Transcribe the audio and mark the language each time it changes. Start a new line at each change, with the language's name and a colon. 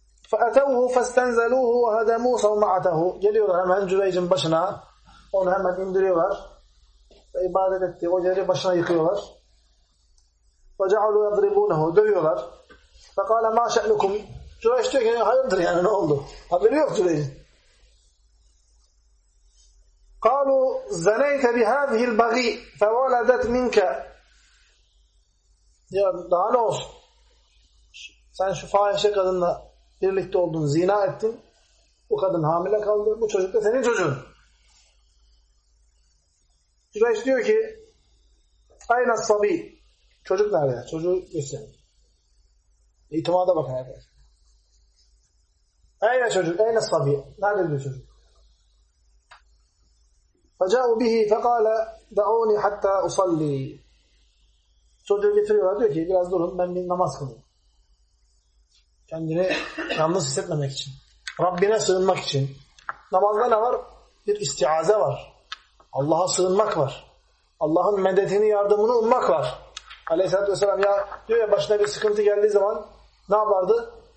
Arabic: فَأَتَوْهُ فَاسْتَنْزَلُوهُ وَهَدَمُوا صَوْمَعَتَهُ
Turkish: Geliyorlar hemen Cüveyc'in başına. Onu hemen indiriyorlar. Ve ibadet ettiği o yeri başına yıkıyorlar.
Arabic: وَجَعَلُوا يَضْرِبُونَهُ
Turkish: Dövüyorlar.
Arabic: فَقَالَ مَا شَأْلُكُمْ
Turkish: Cüveyc diyor ki hayırdır yani ne oldu? Haberi yok Cüveyc'in.
Arabic: قَالُوا زَنَيْتَ بِهَذِهِ الْبَغِي فَوَلَدَتْ مِنْكَ
Turkish: Ya daha ne olsun? Sen şu fahişe kadınla birlikte oldun, zina ettin. Bu kadın hamile kaldı. Bu çocuk da senin çocuğun. Cüveyş diyor ki aynı sabi. Çocuk nerede? Çocuğu göstereyim. İtimada bak herhalde. Aynı çocuk, aynı sabi. Nerede diyor çocuk?
Arabic: فَجَعُوا بِهِ فَقَالَ دَعُونِ حَتَّى أُصَلِّي
Turkish: Çocuğu getiriyorlar. Diyor ki biraz durun ben bir namaz kılayım. Kendini yalnız hissetmemek için, Rabbine sığınmak için. Namazda ne var? Bir istiaze var. Allah'a sığınmak var. Allah'ın medetini, yardımını ummak var. Aleyhisselatü Vesselam ya diyor ya başına bir sıkıntı geldiği zaman ne yapardı?